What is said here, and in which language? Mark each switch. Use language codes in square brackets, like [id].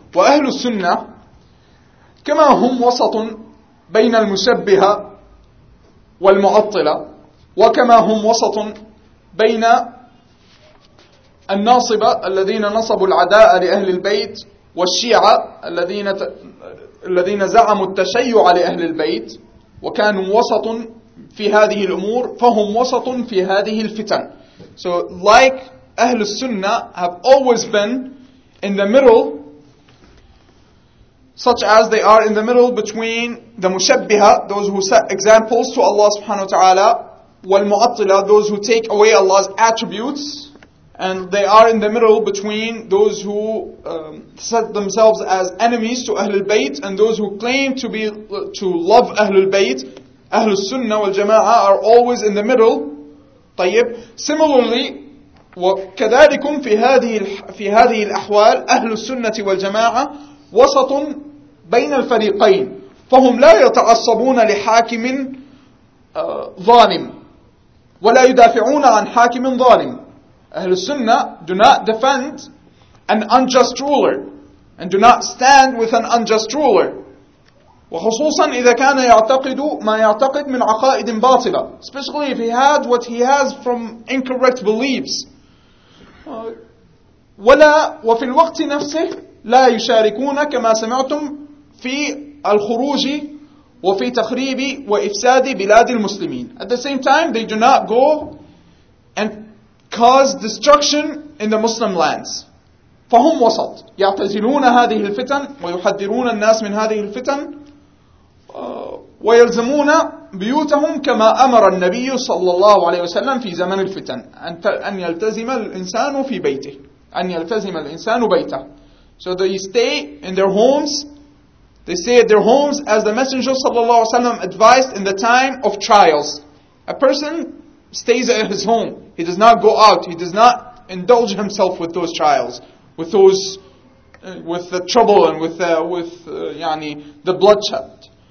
[ar] وأهل السنة كما هم وسط بين المشبهة والمعطلة وكما هم وسط بين الناصبة الذين نصبوا العداء لأهل البيت والشيعة الذين زعموا التشيع لأهل البيت وكانوا وسط في هذه الأمور فهم وسط في هذه الفتن. [en] So like Ahl al-Sunnah have always been in the middle, such as they are in the middle between the Mushabbiha, those who set examples to Allah subhanahu wa ta'ala, wal-Mu'attila, those who take away Allah's attributes, and they are in the middle between those who set themselves as enemies to Ahl al-Bayt and those who claim to be to love Ahl al-Bayt. Ahl al-Sunnah wal-Jama'ah are always in the middle. [ar] طيب. [en] Similarly, [ar] وكذلكم في هذه الأحوال أهل السنة والجماعة وسط بين الفريقين فهم لا يتعصبون لحاكم ظالم ولا يدافعون عن حاكم ظالم. [en] أهل السنة do not defend an unjust ruler and do not stand with an unjust ruler, [ar] وخصوصا إذا كان يعتقد ما يعتقد من عقائد باطلة. [en] Especially if he had what he has from incorrect beliefs. [ar] ولا وفي الوقت نفسه لا يشاركون كما سمعتم في الخروج وفي تخريب وإفساد بلاد المسلمين. [en] At the same time they do not go and cause destruction in the Muslim lands. [ar] فهم وسط يعتزلون هذه الفتن ويحذرون الناس من هذه الفتن ويلزمون بيوتهم كما أمر النبي صلى الله عليه وسلم في زمن الفتن أن يلتزم الإنسان في بيته أن يلتزم الإنسان بيته. [en] So they stay in their homes, they stay at their homes as the Messenger صلى الله عليه وسلم advised in the time of trials. A person stays at his home, he does not go out, he does not indulge himself with those trials, with those with the trouble and with يعني the bloodshed.